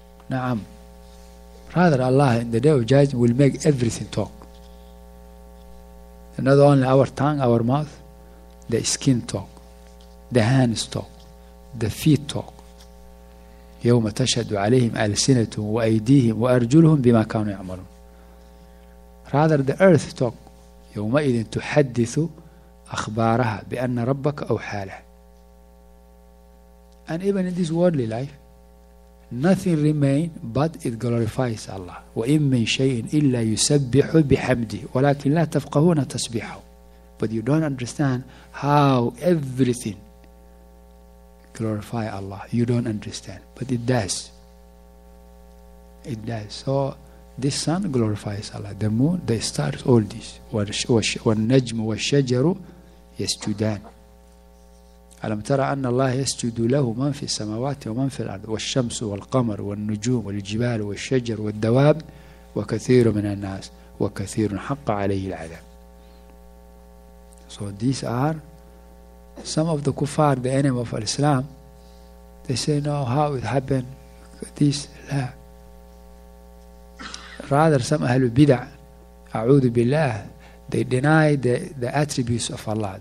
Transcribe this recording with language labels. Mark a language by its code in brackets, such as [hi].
[en] Na'am. Rather Allah in the day of judgment will make everything talk. Not only our tongue, our mouth, the skin talk, the hands talk, the feet talk. [ar] يوم تشهد عليهم ألسنتهم وأيديهم وأرجلهم بما كانوا يعملون. [en] Rather the earth talk. [ar] يومئذ تحدث أخبارها بأن ربك أوحى له. [en] And even in this worldly life, nothing remains but it glorifies Allah. [ar] وإن من شيء إلا يسبح بحمده ولكن لا تفقهون تسبيحه. [en] But you don't understand how everything glorify Allah. You don't understand. But it does. It does. So this sun glorifies Allah. The moon, the stars, all this. [ar] والنجم والشجر يسجدان. ألم ترى أن الله يسجد له من في السماوات ومن في الأرض والشمس والقمر والنجوم والجبال والشجر والدواب وكثير من الناس وكثير حق عليه العذاب. [en] So these are some of the kuffar, the enemy of Islam. They say, no, how it happened? This, [ar] لا. [en] Rather, some [ar] أهل البدع, أعوذ بالله, [en] they deny the attributes of Allah.